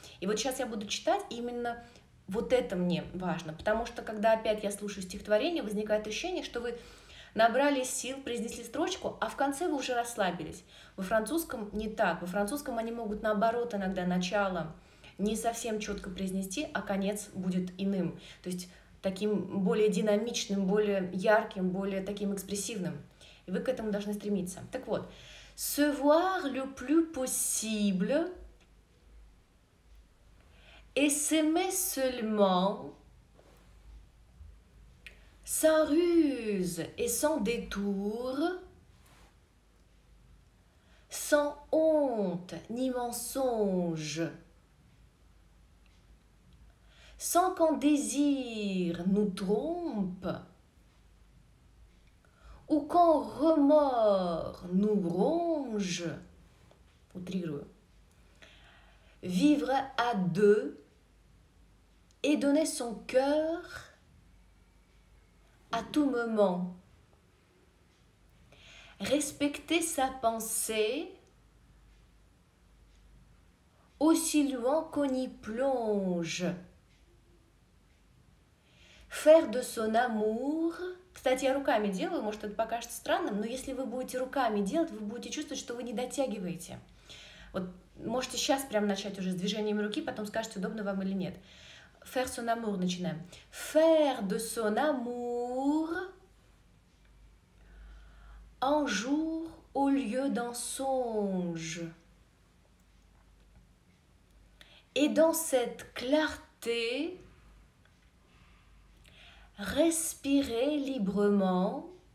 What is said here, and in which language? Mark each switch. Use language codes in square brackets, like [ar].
[ru] И вот сейчас я буду читать, именно вот это мне важно, потому что когда опять я слушаю стихотворение, возникает ощущение, что вы набрали сил, произнесли строчку, а в конце вы уже расслабились. Во французском не так. Во французском они могут, наоборот, иногда начало не совсем четко произнести, а конец будет иным. То есть таким более динамичным, более ярким, более таким экспрессивным. И вы к этому должны стремиться. Так вот. [fr] «Se voir le plus possible et s'aimer seulement sans ruse et sans détour, sans honte ni mensonge, sans qu'en désir nous trompe ou qu'en remords nous ronge, vivre à deux et donner son cœur à tout moment, respecter sa pensée aussi loin qu'on y plonge, faire de son amour. [ru] Кстати, я руками делаю, может, это покажется странным, но если вы будете руками делать, вы будете чувствовать, что вы не дотягиваете. Вот можете сейчас прямо начать уже с движениями руки, потом скажете, удобно вам или нет. [fr] Faire son amour, [ru] начинаем. [fr] Faire de son amour un jour au lieu d'un songe. Et dans cette clarté, respirer librement.